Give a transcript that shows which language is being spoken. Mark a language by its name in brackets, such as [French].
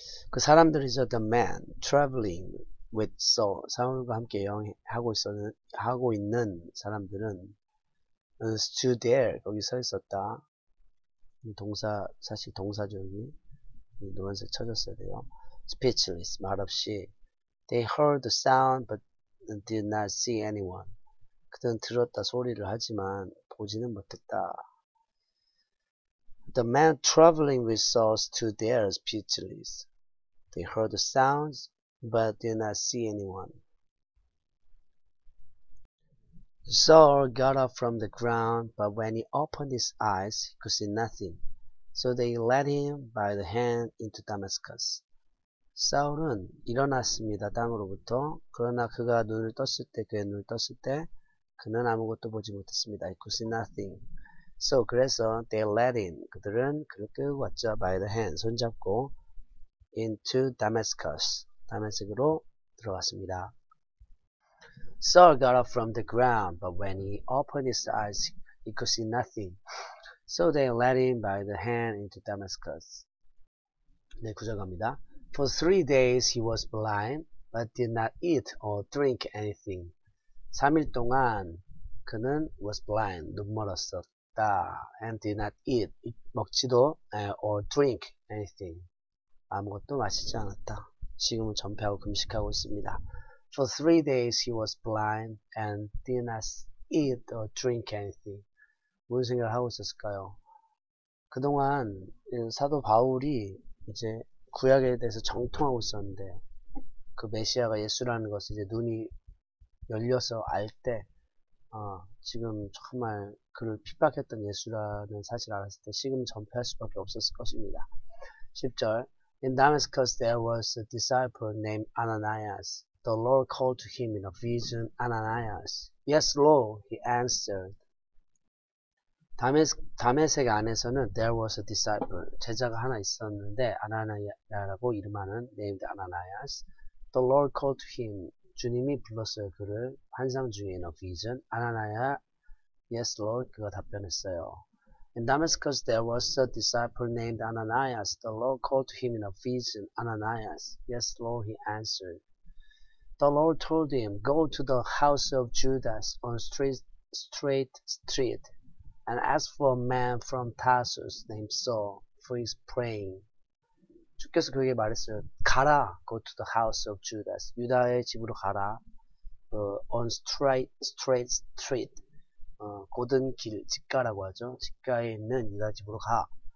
[Korean] 그 사람들이 저 [English] the man traveling with Saul, [Korean] 사울과 함께 하고 있는 사람들은 [English] stood there, [Korean] 거기 서 있었다. 동사, 사실 동사죠. 노란색 쳐졌어야 돼요. speechless, 말없이. [English] They heard the sound but did not see anyone. [Korean] 그들은 들었다, 소리를 하지만 보지는 못했다. [English] The man traveling with Saul stood there speechless. They heard the sounds but did not see anyone. Saul got up from the ground, but when he opened his eyes, he could see nothing. So they led him by the hand into Damascus. [Korean] 사울은 일어났습니다. 땅으로부터. 그러나 그가 눈을 떴을 때, 그의 눈을 떴을 때, 그는 아무것도 보지 못했습니다. [English] He could see nothing. [Korean] So, 그래서 [English] they led him. [Korean] 그들은 그를 끌고 왔죠. [English] By the hand. [Korean] 손잡고. [English] Into Damascus. [Korean] 다메섹으로 들어갔습니다. [English] Saul got up from the ground, but when he opened his eyes, he could see nothing. So they led him by the hand into Damascus. [Korean] 네, 구절갑니다. [English] For 3 days he was blind, but did not eat or drink anything. [Korean] 3일 동안 그는 [English] was blind, [Korean] 눈 멀었었다. [English] And did not eat, [Korean] 먹지도, or drink anything. 아무것도 마시지 않았다. 지금은 전폐하고 금식하고 있습니다. [English] For 3 days he was blind and did not eat or drink anything. [Korean] 무슨 생각을 하고 있었을까요? 그동안 사도 바울이 이제 구약에 대해서 정통하고 있었는데 그 메시아가 예수라는 것을 이제 눈이 열려서 알 때 지금 정말 그를 핍박했던 예수라는 사실을 알았을 때 지금 전폐할 수밖에 없었을 것입니다. 10절 [English] In Damascus there was a disciple named Ananias. The Lord called to him in a vision, Ananias. Yes, Lord, he answered. [Korean] 다메섹 안에서는 [English] there was a disciple, [Korean] 제자가 하나 있었는데 아나니아라고 이름하는 [English] named Ananias. The Lord called to him, [Korean] 주님이 불렀어요 그를 환상 중에 [English] in a vision, [Korean] Ananias. [English] Yes, Lord, [Korean] 그가 답변했어요. [English] In Damascus there was a disciple named Ananias. The Lord called to him in a vision, Ananias. Yes, Lord, he answered. The Lord told him, Go to the house of Judas on straight street, and ask for a man from Tarsus named Saul, who is praying. [Korean] 주께서 그에게 말했어요. 가라, [English] go to the house of Judas. [Korean] 유다의 집으로 가라. [English] On straight street. [Korean] 고든 길, 직가라고 하죠. 직가에 있는 유다 집으로 가.